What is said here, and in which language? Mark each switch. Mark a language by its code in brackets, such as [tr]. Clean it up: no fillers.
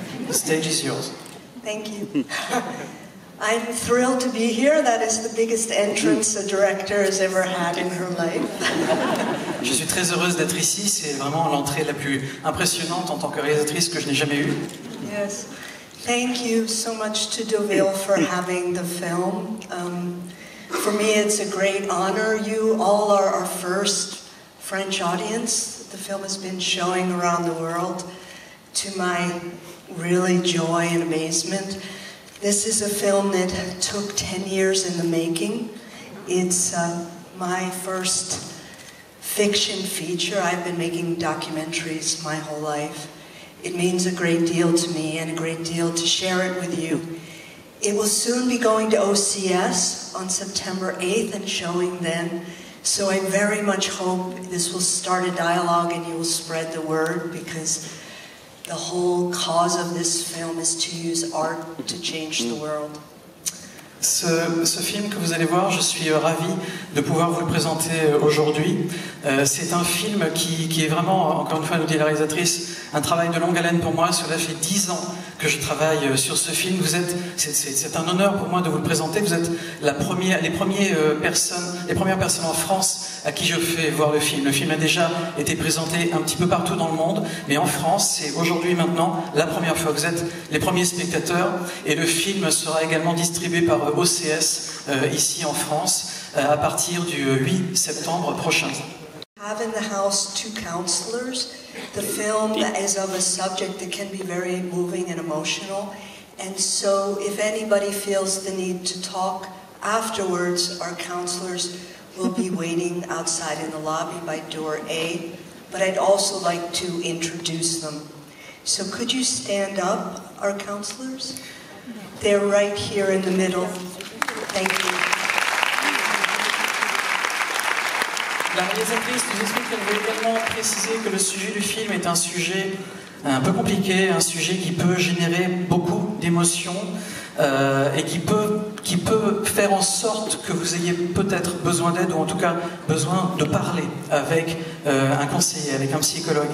[en] Stage is yours. Thank you. I'm thrilled to be here. That is the biggest entrance a director has ever had in her life. [fr] Je suis très heureuse d'être ici. C'est vraiment l'entrée la plus impressionnante en tant que réalisatrice que je n'ai jamais eue. [en] Yes. Thank you so much to Deauville for having the film. For me, it's a great honor. You all are our first French audience. The film has been showing around the world. To my really joy and amazement. This is a film that took 10 years in the making. It's my first fiction feature. I've been making documentaries my whole life. It means a great deal to me and a great deal to share it with you. It will soon be going to OCS on September 8th and showing then. So I very much hope this will start a dialogue and you will spread the word, because the whole cause of this film is to use art to change the world. [fr] Ce film que vous allez voir, je suis ravi de pouvoir vous le présenter aujourd'hui. C'est un film qui est vraiment, encore une fois, nous dit la réalisatrice, un travail de longue haleine pour moi. Cela fait 10 ans que je travaille sur ce film. C'est un honneur pour moi de vous le présenter. Vous êtes les premières personnes en France à qui je fais voir le film. Le film a déjà été présenté un petit peu partout dans le monde, mais en France, c'est aujourd'hui maintenant la première fois. Vous êtes les premiers spectateurs, et le film sera également distribué par OCS ici en France à partir du 8 septembre prochain. [en] Have in the house two counselors. The film is of a subject that can be very moving and emotional, and so if anybody feels the need to talk afterwards, our counselors will be waiting outside in the lobby by door A. But I'd also like to introduce them. So could you stand up, our counselors? They're right here in the middle. Thank you. [fr] La réalisatrice nous explique qu'elle veut également préciser que le sujet du film est un sujet un peu compliqué, un sujet qui peut générer beaucoup d'émotions et qui peut faire en sorte que vous ayez peut-être besoin d'aide, ou en tout cas besoin de parler avec un conseiller, avec un psychologue.